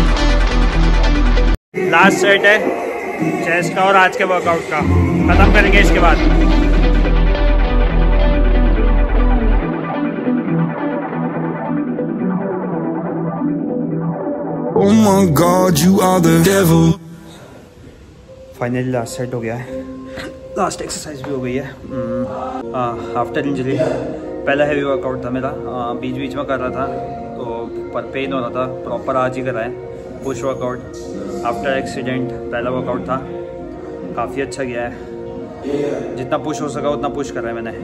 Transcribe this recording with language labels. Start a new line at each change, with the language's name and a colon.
Hindi: Last set है chest का और आज के वर्कआउट का, खत्म करेंगे इसके बाद।
English: Oh my God, you are the devil.
Hindi: Finally, last set हो गया है, last exercise भी हो गई है।
English: After injury,
Hindi: पहला heavy workout था मेरा, बीच बीच में कर रहा था तो पर pain हो रहा था, proper आज ही कराया push workout।
English: After accident,
Hindi: पहला workout था, काफ़ी अच्छा गया है, जितना push हो सका उतना push करा है मैंने।